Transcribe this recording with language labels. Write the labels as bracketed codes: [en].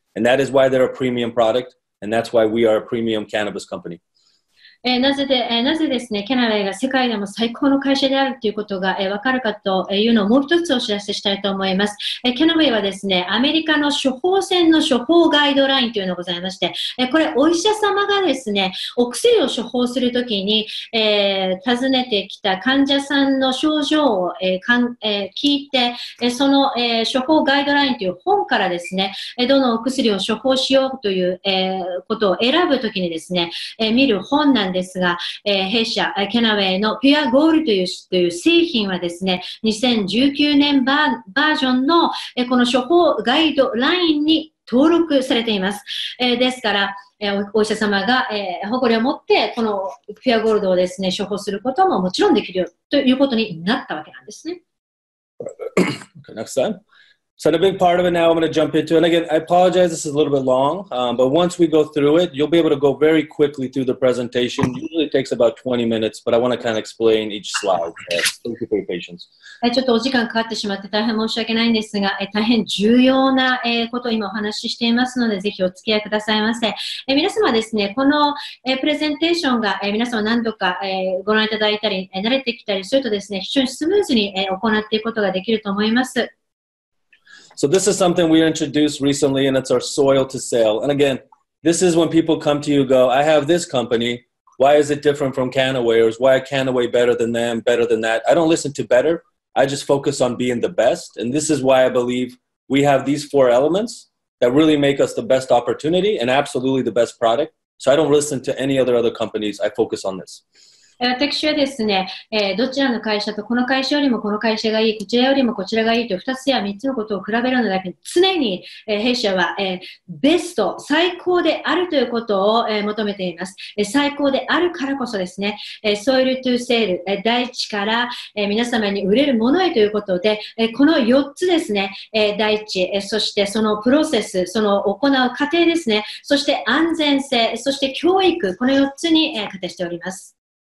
[en] And that is why they're a premium product, and that's why we are a premium cannabis company. [ja] なぜですね、キャナウェイが世界でも最高の会社であるということが分かるかというのをもう一つお知らせしたいと思います。キャナウェイはですね、アメリカの処方箋の処方ガイドラインというのがございまして、これお医者様がですね、お薬を処方するときに、尋ねてきた患者さんの症状を、聞いて、その、処方ガイドラインという本からですね、どのお薬を処方しようという、ことを選ぶときにですね、見る本なんですが、弊社キャナウェイのピュアゴールという製品はですね、2019年バージョンの、この処方ガイドラインに登録されています。ですから、お医者様が、誇りを持ってこのピュアゴールドをですね、処方することももちろんできるということになったわけなんですね。 [en] Okay, next time. So the big part of it now I'm going to jump into, and again, I apologize, this is a little bit long, but once we go through it, you'll be able to go very quickly through the presentation. Usually it takes about 20 minutes, but I want to kind of explain each slide. Thank you for your patience. [ja] ちょっとお時間かかってしまって大変申し訳ないんですが、大変重要なことを今お話ししていますので、ぜひお付き合いくださいませ。皆様ですね、このプレゼンテーションが皆様何度かご覧いただいたり、慣れてきたりするとですね、非常にスムーズに行っていくことができると思います。 [en] So this is something we introduced recently, and it's our soil to sale. And again, this is when people come to you and go, I have this company. Why is it different from Kannaway? Or is why Kannaway better than them, better than that? I don't listen to better. I just focus on being the best. And this is why I believe we have these four elements that really make us the best opportunity and absolutely the best product. So I don't listen to any other companies. I focus on this. [ja] 私はですね、どちらの会社とこの会社よりもこの会社がいい、こちらよりもこちらがいいという2つや3つのことを比べるのだけに常に、弊社は、ベスト、最高であるということを、求めています。最高であるからこそですね、ソイルトゥーセール、大地から、皆様に売れるものへということで、この4つですね、大地、そしてそのプロセス、その行う過程ですね、そして安全性、そして教育、この4つに、仮定しております。